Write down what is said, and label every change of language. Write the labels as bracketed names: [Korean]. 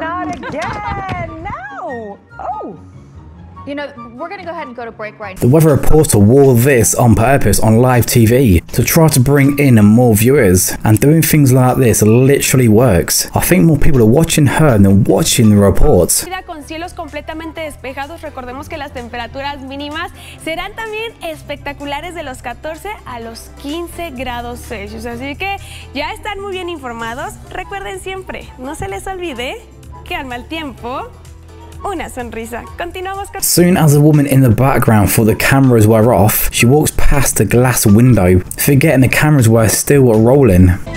[English] Not again, no. Oh. You know, we're gonna go ahead and go to break right now. The weather reporter wore this on purpose on live TV to try to bring in more viewers. And doing things like this literally works. I think more people are watching her than watching the report. [Spanish] Cielos completamente despejados. Recordemos que las temperaturas mínimas serán también espectaculares de los 14 a los 15 grados Celsius. Así que ya están muy bien informados. Recuerden siempre, no se les olvide que al mal tiempo, una sonrisa. Continuamos con. [English] Soon as the woman in the background thought the cameras were off, she walks past the glass window, forgetting the cameras were still rolling.